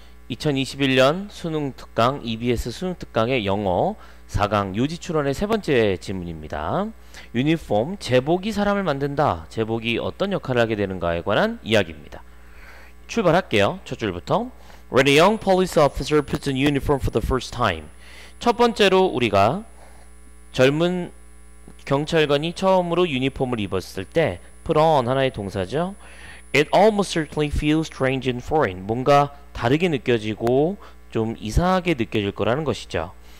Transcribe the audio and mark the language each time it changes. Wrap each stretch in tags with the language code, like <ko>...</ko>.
<ko>2021년 수능 특강 EBS 수능 특강의 영어 4강 요지 출원의 세 번째 질문입니다. 유니폼, 제복이 사람을 만든다. 제복이 어떤 역할을 하게 되는가에 관한 이야기입니다. 출발할게요. 첫 줄부터.</ko> <en>When a young police officer puts on uniform for the first time.</en> <ko>첫 번째로 우리가 젊은 경찰관이 처음으로 유니폼을 입었을 때 put on 하나의 동사죠.</ko> <en>It almost certainly feels strange and foreign.</en> <ko>뭔가 다르게 느껴지고 좀 이상하게 느껴질 거라는 것이죠.</ko>